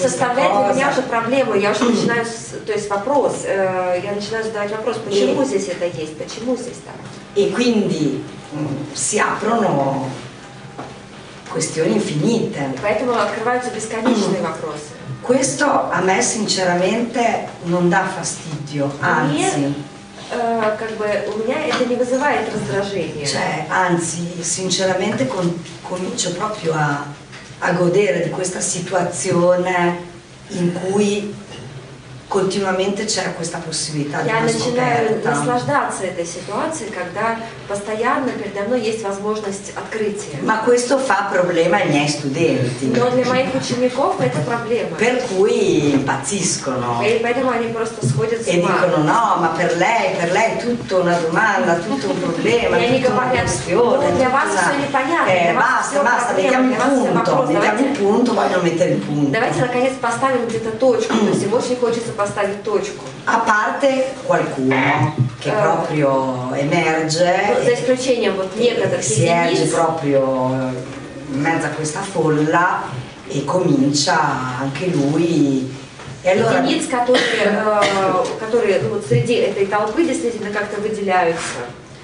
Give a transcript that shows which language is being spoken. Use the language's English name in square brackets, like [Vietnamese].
[Russian] составляет для меня уже проблему. Я уже начинаю, то есть вопрос, я начинаю задавать вопрос, почему здесь это есть, почему здесь так? [Italian] И quindi si aprono questioni infinite. [Russian] Поэтому открываются бесконечные вопросы. [Italian] Questo a me sinceramente non dà fastidio, anzi. [Russian] Как бы у меня это не вызывает раздражения. [Italian] Cioè, anzi, sinceramente comincio proprio a godere di questa situazione in cui continuamente c'è questa possibilità di una scoperta. [Russian] Я начинаю наслаждаться этой ситуацией, когда постоянно передо мной есть возможность открытия. [Italian] Ma questo fa problema ai miei studenti. [Russian] Но для моих учеников это проблема. [Italian] Per cui impazziscono. [Russian] E поэтому они просто сходят с ума. [Italian] E dicono no, ma per lei tutto una domanda, tutto un problema, tutto una questione. [Russian] Для вас все непонятно. [Italian] Basta, mettiamo il punto, voglio mettere il punto. [Russian] Давайте наконец поставим где-то точку, то есть очень хочется поставить точку. [Italian] A parte qualcuno che proprio emerge. [Russian] За исключением вот некоторых. [Italian] Si erge proprio in mezzo a questa folla e comincia anche lui. [Russian] И allora, единиц, которые ну, среди этой толпы действительно как-то выделяются.